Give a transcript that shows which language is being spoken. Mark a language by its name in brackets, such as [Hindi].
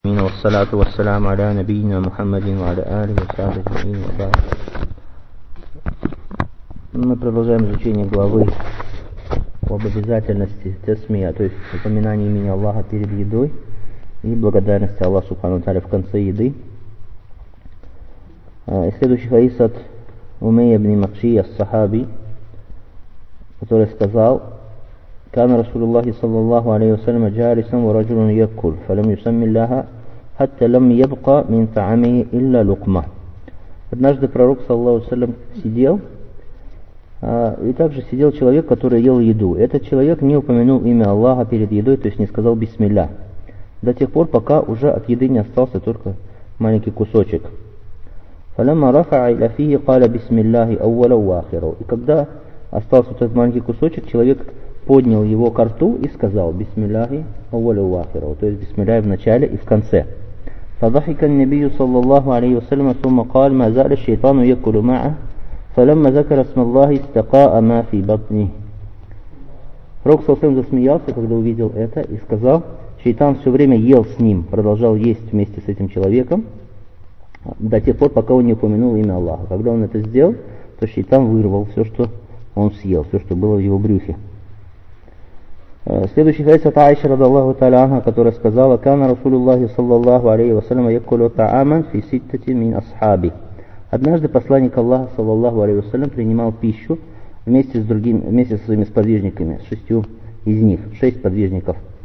[Arabic] إن والصلاة والسلام على نبينا محمد وعلى آله وصحبه أجمعين وبعد. [Russian] Мы продолжаем изучение главы об обязательности тесмии, то есть упоминание имени Аллаха перед едой и благодарности Аллаху Субхану Тааля в конце еды. Следующий хадис от Умейя ибн Макши, ас-сахаби, который сказал: [Arabic] كان رسول الله صلى الله عليه وسلم جالسا ورجل يأكل فلم يسم الله حتى لم يبقى من طعامه إلا لقمة. [Russian] Однажды пророк [Arabic] صلى الله عليه وسلم [Russian] сидел, и также сидел человек, который ел еду. Этот человек не упомянул имя Аллаха перед едой, то есть не сказал бисмилля, до тех пор, пока уже от еды не остался только маленький кусочек. [Arabic] فَلَمَّا رَفَعَ إِلَى فِيهِ قَالَ بِسْمِ اللَّهِ أَوَّلًا وَآخِرًا. [Russian] И когда остался вот этот маленький кусочек, человек поднял его ко рту и сказал [Arabic] بِسْمِ اللَّهِ أَوَّلًا وَآخِرًا, [Russian] то есть بِسْمِ اللَّهِ в начале и в конце. [Arabic] فَضَحِكَ النَّبِيُّ صَلَّى اللَّهُ عَلَيْهِ وَسَلَّمَ ثُمَّ قَالَ مَا زَالَ الشَّيْطَانُ يَكُلُ مَعَهُ فَلَمَّا ذَكَرَ اسْمَ اللَّهِ اسْتَقَاءَ مَا فِي بَطْنِهِ. [Russian] Пророк совсем засмеялся, когда увидел это, и сказал: шайтан все время ел с ним, продолжал есть вместе с этим человеком до тех пор, пока он не упомянул имя Аллаха. Когда он это сделал, то шайтан вырвал все, что он съел, все, что было в его брюхе. Следующий хадис от Аиши радиаллаху тааля анха, которая сказала: [Arabic] كَانَ رَسُولُ اللَّهِ صَلَّى اللَّهُ عَلَيْهِ وَسَلَّمَ يَكُلُ طَعَامًا فِي سِتَّةٍ مِنْ أَصْحَابِ. [Russian] Однажды посланник Аллаха, саллаллаху алейхи вассалям, принимал пищу вместе со своими сподвижниками, с шестью из них, шесть подвижников.